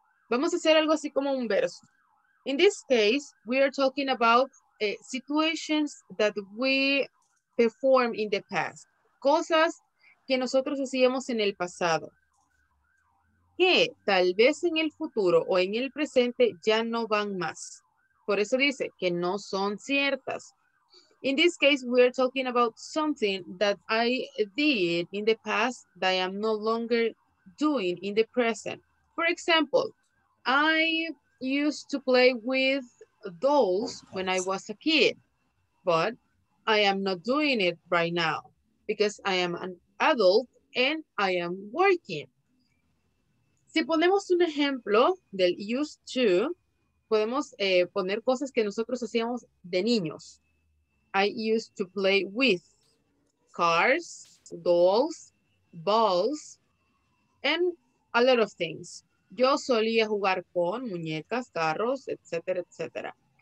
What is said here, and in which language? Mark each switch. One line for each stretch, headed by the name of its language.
Spanish: Vamos a hacer algo así como un verso.
English: In this case, we are talking about situations that we perform in the past.
Spanish: Cosas que nosotros hacíamos en el pasado, que tal vez en el futuro o en el presente ya no van más. Por eso dice que no son ciertas.
English: In this case, we are talking about something that I did in the past that I am no longer doing in the present. For example, I used to play with dolls when I was a kid, but I am not doing it right now because I am an adult and I am working.
Spanish: Si ponemos un ejemplo del used to, podemos poner cosas que nosotros hacíamos de niños.
English: I used to play with cars, dolls, balls, and a lot of things.
Spanish: Yo solía jugar con muñecas, carros, etc., etc.